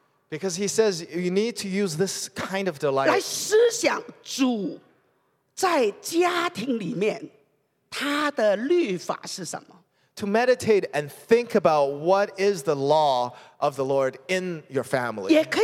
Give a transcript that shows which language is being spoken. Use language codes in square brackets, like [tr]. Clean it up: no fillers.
[en] Because he says you need to use this kind of delight. [zh] 来思想主在家庭里面他的律法是什么? [en] To meditate and think about what is the law of the Lord in your family.